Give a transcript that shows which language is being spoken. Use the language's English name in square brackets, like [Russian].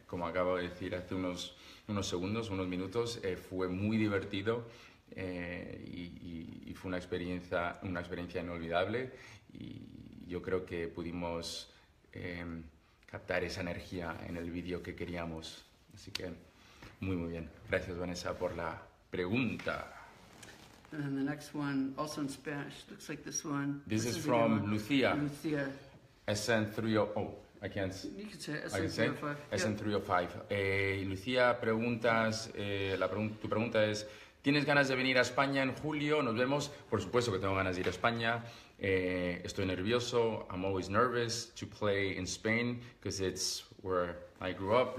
[Spanish] Como acabo de decir hace unos minutos, fue muy divertido y fue una experiencia inolvidable. Y yo creo que pudimos captar esa energía en el vídeo que queríamos. Así que muy, muy bien. Gracias, Vanessa, por la pregunta. [English] And then the next one, also in Spanish, looks like this one. This is from Lucia. Lucia. SN30. Oh, I can't. You can say SN305. [Spanish] SN305. Lucia, preguntas. Tu pregunta es: ¿Tienes ganas de venir a España en julio? Nos vemos. Por supuesto que tengo ganas de ir a España. Estoy nervioso. [English] I'm always nervous to play in Spain because it's where I grew up.